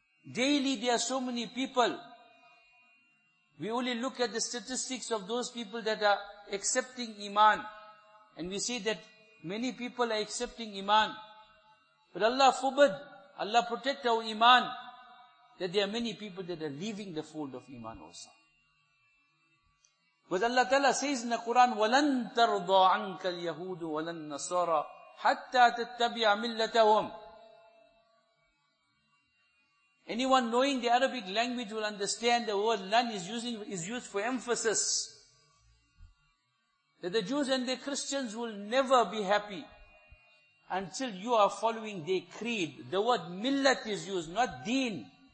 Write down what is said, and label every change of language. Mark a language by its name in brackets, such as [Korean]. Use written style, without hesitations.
[English] Daily there are so many people. We only look at the statistics of those people that are accepting iman, and we see that many people are accepting iman. But Allah forbid, Allah protect our iman, that there are many people that are leaving the fold of iman also. But Allah Ta'ala says in the Quran, [Arabic] وَلَن تَرْضَى عَنْكَ الْيَهُودُ وَلَن نَصَارَى حَتَّى تَتَّبِعَ مِلَّتَهُمْ. [English] Anyone knowing the Arabic language will understand the word lan is used for emphasis. That the Jews and the Christians will never be happy until you are following their creed. The word millat is used, not deen.